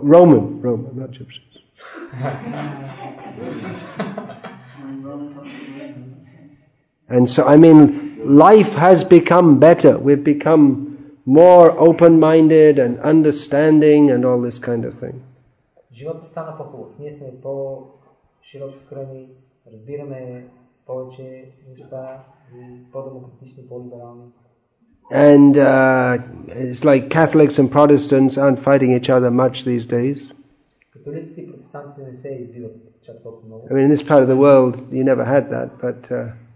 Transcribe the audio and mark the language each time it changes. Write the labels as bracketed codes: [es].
[en] Roman, not Gypsies. And so, I mean, life has become better. We've become more open-minded and understanding and all this kind of thing. [bg] Живота стана по-хубав. Ние сме по-широки в кръни, разбираме повече неща, по-демократични, по-либерални. [en] And it's like Catholics and Protestants aren't fighting each other much these days. [bg] Католиците и протестантите не се избиват чак толкова много. [en] I mean, in this part of the world, you never had that, but...